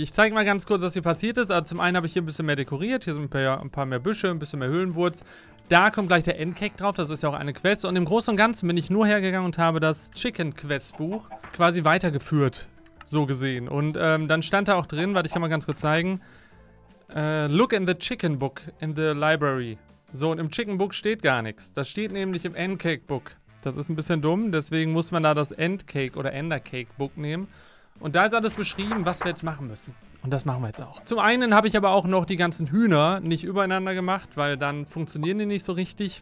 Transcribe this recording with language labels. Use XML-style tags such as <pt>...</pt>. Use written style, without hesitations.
<de>Ich zeige mal ganz kurz, was hier passiert ist. Also zum einen habe ich hier ein bisschen mehr dekoriert. Hier sind ein paar mehr Büsche, ein bisschen mehr Höhlenwurz. Da kommt gleich der Endcake drauf, das ist ja auch eine Quest. Und im Großen und Ganzen bin ich nur hergegangen und habe das Chicken-Quest-Buch quasi weitergeführt. So gesehen. Und dann stand da auch drin, warte, ich kann mal ganz kurz zeigen.</de> <en>Look in the chicken book in the library.</en> <de>So, und im chicken book steht gar nichts. Das steht nämlich im Endcake book. Das ist ein bisschen dumm, deswegen muss man da das Endcake oder Endercake book nehmen. Und da ist alles beschrieben, was wir jetzt machen müssen. Und das machen wir jetzt auch. Zum einen habe ich aber auch noch die ganzen Hühner nicht übereinander gemacht, weil dann funktionieren die nicht so richtig.</de>